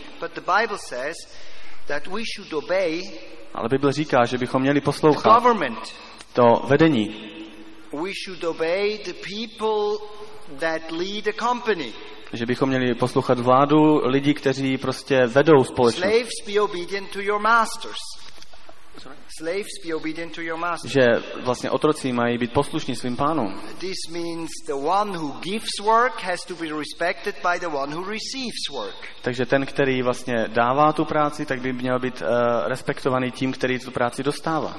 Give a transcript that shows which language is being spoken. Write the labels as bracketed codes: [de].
[en] But the Bible says that we should obey. [cs] Ale Bible říká, že bychom měli poslouchat to vedení. [en] We should obey the people that lead the company. [cs] Že bychom měli poslouchat vládu, lidi, kteří prostě vedou společnost. [en] Slaves, be obedient to your masters. Sorry? Slaves, be obedient to your masters. [cs] Že vlastně otroci mají být poslušní svým pánům. [en] This means the one who gives work has to be respected by the one who receives work. [cs] Takže ten, který vlastně dává tu práci, tak by měl být respektovaný tím, který tu práci dostává.